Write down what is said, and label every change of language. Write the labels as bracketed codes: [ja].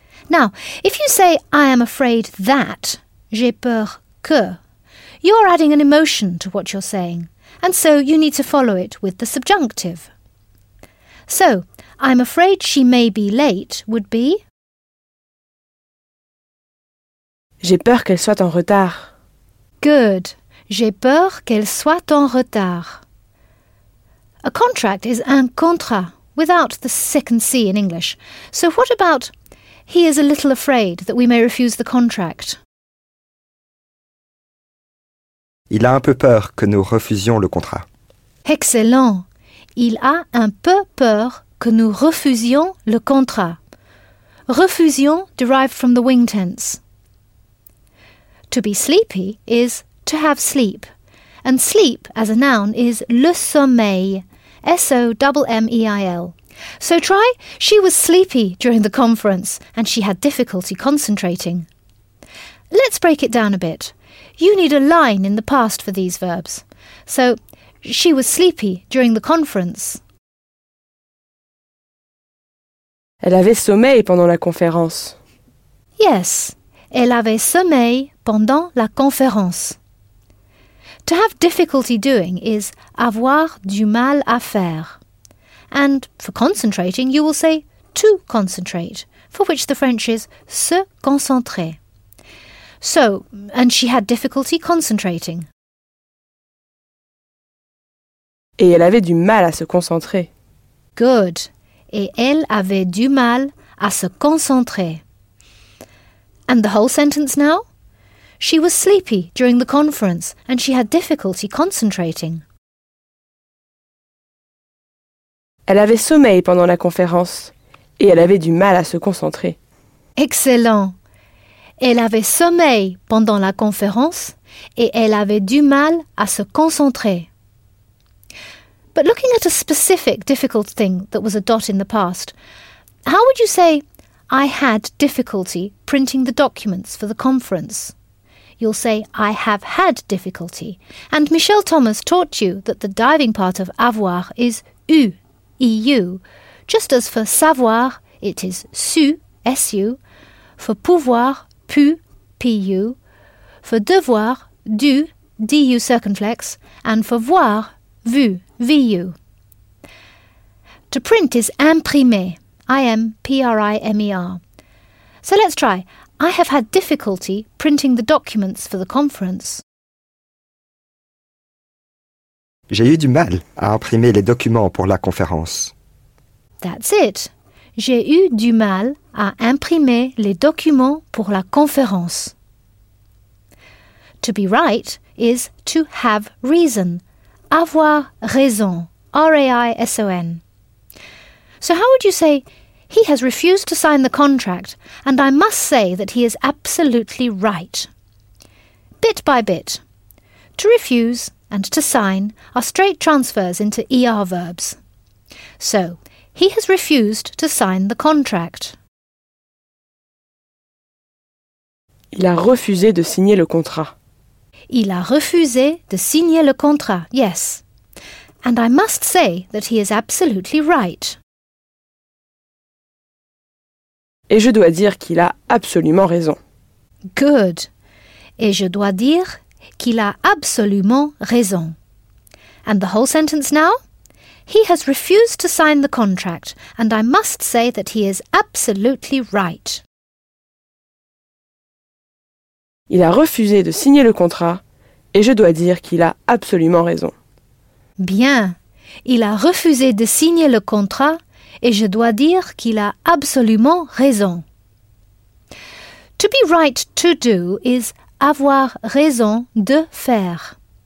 [en] Now, if you say I am afraid that, [fr] j'ai peur que, [en] you're adding an emotion to what you're saying, and so you need to follow it with the subjunctive. So, I'm afraid she may be late would be [fr] j'ai peur qu'elle soit en retard. [en] Good. [fr] J'ai peur qu'elle soit en retard. [en] A contract is un contrat without the second C in English. So what about he is a little afraid that we may refuse the contract? [fr] Il a un peu peur que nous refusions le contrat. [en] Excellent. [fr] Il a un peu peur que nous refusions le contrat. [en] Refusions derived from the wing tense. To be sleepy is to have sleep. And sleep as a noun is le sommeil. S-O-M-M-E-I-L. So try, she was sleepy during the conference and she had difficulty concentrating. Let's break it down a bit. You need a line in the past for these verbs. So, she was sleepy during the conference. [fr] Elle avait sommeil pendant la conférence. Yes, elle avait sommeil pendant la conférence. [en] To have difficulty doing is [fr] avoir du mal à faire. [en] And for concentrating, you will say to concentrate, for which the French is se concentrer. So, and she had difficulty concentrating. [fr] Et elle avait du mal à se concentrer. [en] Good. [fr] Et elle avait du mal à se concentrer. [en] And the whole sentence now? She was sleepy during the conference and she had difficulty concentrating. [fr] Elle avait sommeil pendant la conférence et elle avait du mal à se concentrer. [en] Excellent. [fr] Elle avait sommeil pendant la conférence et elle avait du mal à se concentrer. [en] But looking at a specific difficult thing that was a dot in the past, how would you say, I had difficulty printing the documents for the conference? You'll say, I have had difficulty. And Michel Thomas taught you that the diving part of avoir is eu, E-U, just as for savoir, it is su, S-U, for pouvoir, pu, P-U, for devoir, dû, D-U circumflex, and for voir, vu. V-U. To print is imprimer, I-M-P-R-I-M-E-R. So let's try. I have had difficulty printing the documents for the conference. [fr] J'ai eu du mal à imprimer les documents pour la conférence. [en] That's it. [fr] J'ai eu du mal à imprimer les documents pour la conférence. [en] To be right is to have reason. Avoir raison, R-A-I-S-O-N. So how would you say, he has refused to sign the contract, and I must say that he is absolutely right. Bit by bit. To refuse and to sign are straight transfers into ER verbs. So, he has refused to sign the contract. [fr] Il a refusé de signer le contrat. Il a refusé de signer le contrat, yes. [en] And I must say that he is absolutely right. [fr] Et je dois dire qu'il a absolument raison. [en] Good. [fr] Et je dois dire qu'il a absolument raison. [en] And the whole sentence now? He has refused to sign the contract, and I must say that he is absolutely right. [fr] Il a refusé de signer le contrat et je dois dire qu'il a absolument raison. Bien, il a refusé de signer le contrat et je dois dire qu'il a absolument raison. [en] To be right to do is [fr] avoir raison de faire.